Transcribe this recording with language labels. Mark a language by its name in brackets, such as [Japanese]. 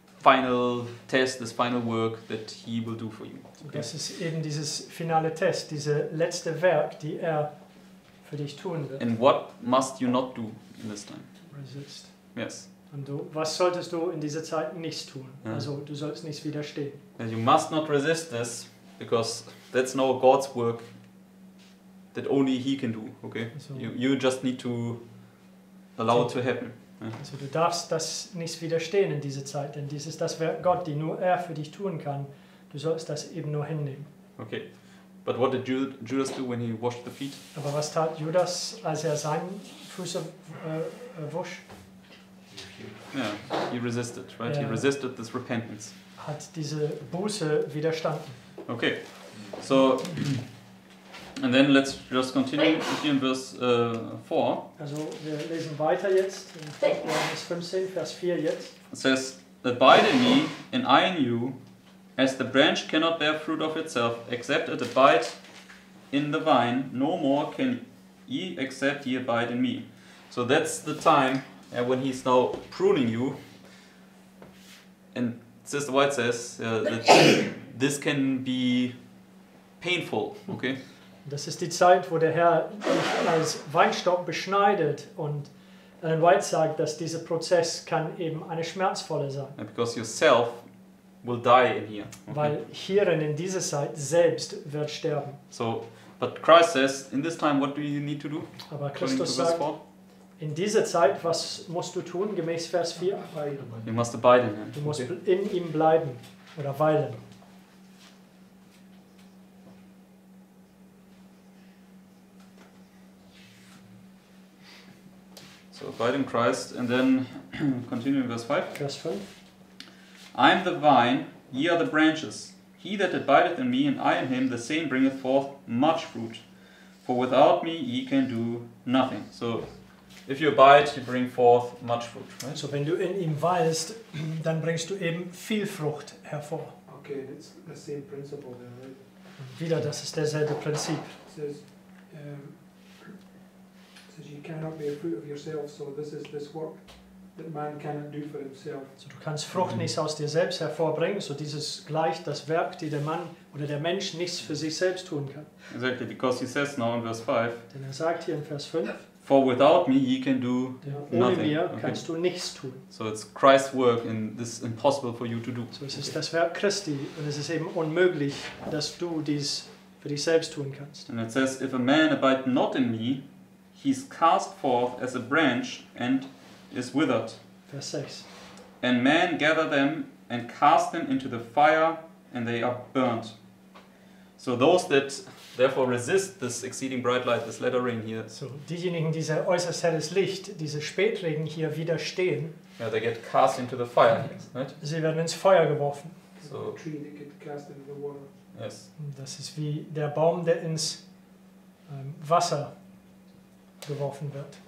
[English] final test, this final work that he will do for you. Okay. [German] Das ist eben dieses finale Test, diese letzte Werk, die er für dich tun wird. [English] And what must you not do in this time? Resist. Yes. [German] Und du, was solltest du in dieser Zeit nicht tun? Yeah. Also du sollst nichts widerstehen. [English] And you must not resist this, because that's now God's work that only he can do, okay? [German] Also, [English] you just need to allow it to happen. [German] Also du darfst das nicht widerstehen in dieser Zeit, denn dies ist das Werk Gott, die nur er für dich tun kann. Du sollst das eben nur hinnehmen. [English] Okay, but what did Judas do when he washed the feet? [German] Aber was tat Judas, als er seine Füße wusch? [English] Yeah, he resisted, right? [German] Er [English] he resisted this repentance. [German] Hat diese Buße widerstanden. [English] Okay, so, and then let's just continue here in verse 4. [German] Also, wir lesen weiter jetzt, Johannes 15, Vers 4 jetzt. [English] It says, abide in me, and I in you, as the branch cannot bear fruit of itself, except it abide in the vine, no more can ye, except ye abide in me. So that's the time when he's now pruning you. And Sister White says that this can be painful, okay? [German] Das ist die Zeit, wo der Herr dich als Weinstock beschneidet, und Ellen White sagt, dass dieser Prozess kann eben eine schmerzvolle sein. [English] And because yourself will die in here. Okay? [German] Weil hierin in dieser Zeit selbst wird sterben. [English] So, but Christ says, in this time, what do you need to do? [German] Aber Christus sagt, in dieser Zeit, was musst du tun, gemäß Vers 4? [English] You must abide in him. [German] Du musst in ihm bleiben oder weilen. [English] So abide in Christ, and then continue in verse 5. [German] Vers 5. [English] I am the vine, ye are the branches. He that abideth in me, and I in him, the same bringeth forth much fruit. For without me ye can do nothing. So if you abide, you bring forth much fruit. Right? [German] So, wenn du in ihm weilst, dann bringst du eben viel Frucht hervor. [English] Okay, it's the same principle there, right? [German] Und wieder, das ist derselbe Prinzip. [English] It says you cannot bear fruit of yourself, so this is this work that man cannot do for himself. [German] So, du kannst Frucht nicht aus dir selbst hervorbringen, so dieses gleicht das Werk, die der Mann oder der Mensch nichts für sich selbst tun kann. [English] Exactly, because he says now in verse 5. [German] Denn er sagt hier in Vers 5. [English] For without me ye can do nothing. [German] Ohne mir kannst du nichts tun. [English] So it's Christ's work and this is impossible for you to do. [German] So es ist das Werk Christi und es ist eben unmöglich, dass du dies für dich selbst tun kannst. [English] And it says, if a man abide not in me, he is cast forth as a branch and is withered. [German] Vers 6. [English] And men gather them and cast them into the fire and they are burnt. So those that therefore resist this exceeding bright light, this latter rain here. [German] So, diejenigen, die sehr äußerst helles Licht, diese Spätregen hier widerstehen. [English] Yeah, they get cast into the fire, right? [German] Sie werden ins Feuer geworfen. [English] So, the tree, they get cast into the water. Yes. [German] Das ist wie der Baum, der ins Wasser geworfen wird.